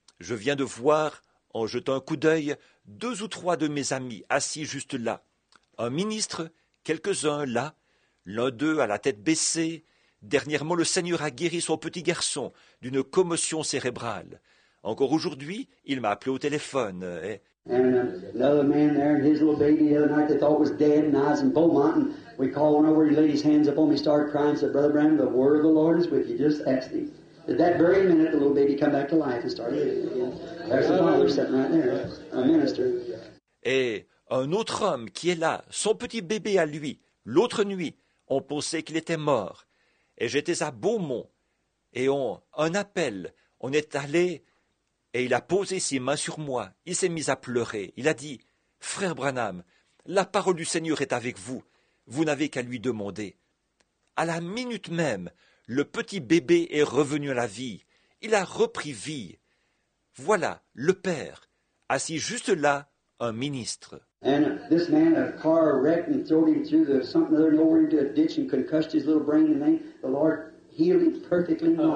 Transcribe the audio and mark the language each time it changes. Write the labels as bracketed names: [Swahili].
[French] Je viens de voir, en jetant un coup d'œil, deux ou trois de mes amis assis juste là. Un ministre, quelques-uns là, l'un d'eux à la tête baissée. Dernièrement, le Seigneur a guéri son petit garçon d'une commotion cérébrale. Encore aujourd'hui, il m'a appelé au téléphone et... [English] And another man there and his little baby the other night they thought was dead and I was in Beaumont and we called one over and he laid his hands upon me and started crying and said, Brother Branham, the word of the Lord is with you. Just ask him. At that very minute, the little baby came back to life and started living again. There's a father sitting right there, a minister. [French] Et un autre homme qui est là, son petit bébé à lui, l'autre nuit, on pensait qu'il était mort. Et j'étais à Beaumont et un appel, on est allé... Et il a posé ses mains sur moi. Il s'est mis à pleurer. Il a dit, « Frère Branham, la parole du Seigneur est avec vous. Vous n'avez qu'à lui demander. » À la minute même, le petit bébé est revenu à la vie. Il a repris vie. Voilà, le père, assis juste là, un ministre. [English] And this man, a car wrecked and threw him through the something other and over into a ditch and concussed his little brain and the Lord healed him perfectly.